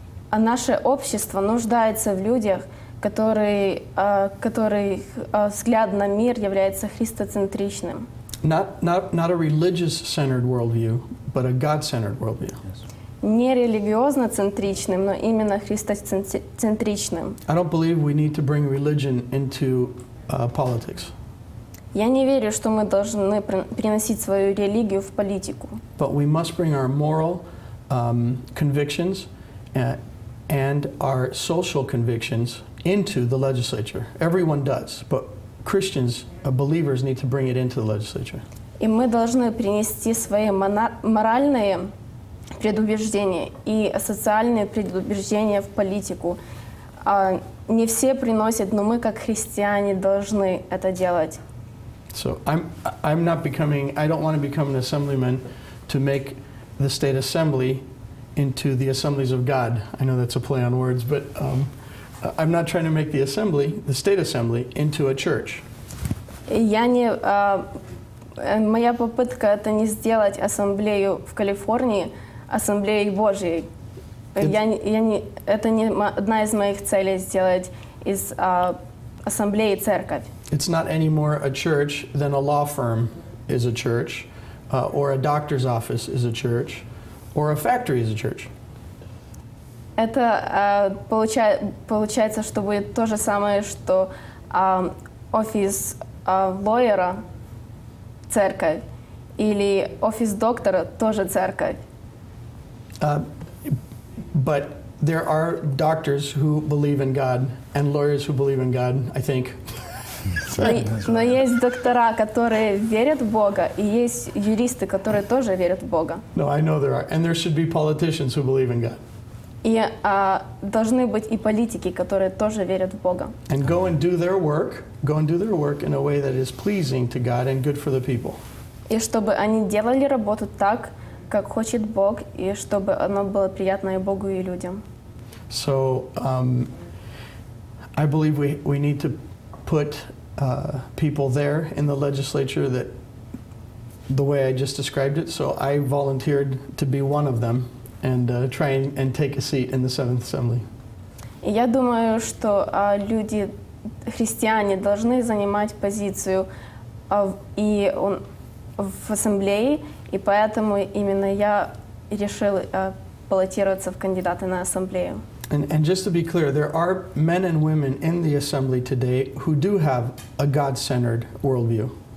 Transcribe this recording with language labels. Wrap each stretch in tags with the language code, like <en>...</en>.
<ru>А наше общество нуждається в людях, которых взгляд на мир является христоцентричным.</ru> <en>Not a religious-centered worldview, but a God-centered worldview.</en> <ru>Не религиозно-центричным, но именно христоцентричным.</ru> <en>I don't believe we need to bring religion into politics.</en> <ru>Я не верю, что мы должны приносить свою религию в политику.</ru> <en>But we must bring our moral convictions and our social convictions into the legislature. Everyone does, but Christians, believers, need to bring it into the legislature.</en> <ru>И мы должны принести свои моральные предубеждения и социальные предубеждения в политику, не все приносят, но мы как христиане должны это делать.</ru> <en>So I'm not becoming, I don't want to become an assemblyman to make the state assembly into the assemblies of God. I know that's a play on words, but I'm not trying to make the assembly, the state assembly, into a church.</en> <ru>Я не, моя попытка это не сделать ассамблею в Калифорнии ассамблеей Божьей. Это не одна из моих целей сделать из ассамблеи церковь.</ru> <en>It's not any more a church than a law firm is a church, or a doctor's office is a church, or a factory is a church.</en> <ru>Это получается, что будет то же самое, что офис лоера – церковь, или офис доктора – тоже церковь.</ru> <en>But there are doctors who believe in God and lawyers who believe in God, I think.</en> <ru>Но есть доктора, которые верят в Бога, и есть юристы, которые тоже верят в Бога.</ru> <en>No, I know there are. And there should be politicians who believe in God.</en> <ru>И должны быть и политики, которые тоже верят в Бога.</ru> <en>And go and do their work. Go and do their work in a way that is pleasing to God and good for the people.</en> <ru>И чтобы они делали работу так, как хочет Бог, и чтобы оно было приятно и Богу, и людям.</ru> <en>So, I believe we need to put people there in the legislature that the way I just described it. So I volunteered to be one of them and try and take a seat in the Seventh Assembly.</en> <ru>Я думаю, что люди, христиане, должны занимать позицию и в ассамблее, и поэтому именно я решил баллотироваться в кандидаты на ассамблею.</ru> <en>And just to be clear, there are men and women in the assembly today who do have a God-centered worldview.</en>